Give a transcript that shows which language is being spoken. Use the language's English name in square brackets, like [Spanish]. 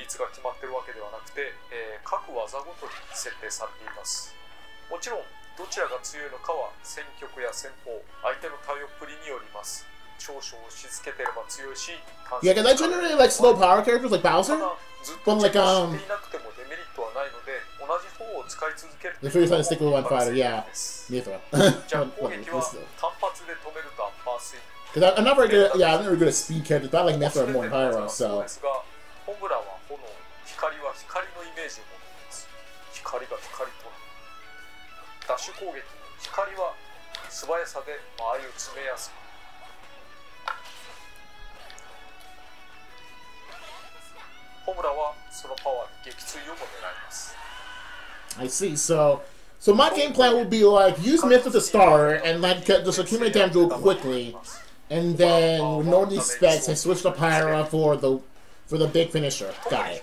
[Japanese] 攻撃力は確率が決まってるわけではなくて、各技ごとに設定されています。もちろんどちらが強いのかは戦局や戦法、相手の対応っぷりによります。長所を押し付けてれば強いし、 [English] いや、yeah, because I generally like slow power characters like Bowser, but like [Japanese] していなくてもデメリットはないので。同じ方を使い続けるというのも一番強いです。 [English] Yeah, Mythra. [Japanese] じゃあ攻撃は単発で止めるとアッパースイ [English] ング。Cause I'm not very good. Yeah, I'm not very good at speed characters, but I like Mythra more than Pyra. So. [Japanese] ホムラは炎、光は光のイメージを持っています。光が光と。ダッシュ攻撃の光は素早さで周りを詰めやすく。ホムラはそのパワーで撃墜をも狙います。 [English] I see, so my game plan would be like, use Mythra to start, and then like, just accumulate damage real quickly, and then with no need specs, I switch to Pyra for the big finisher guy.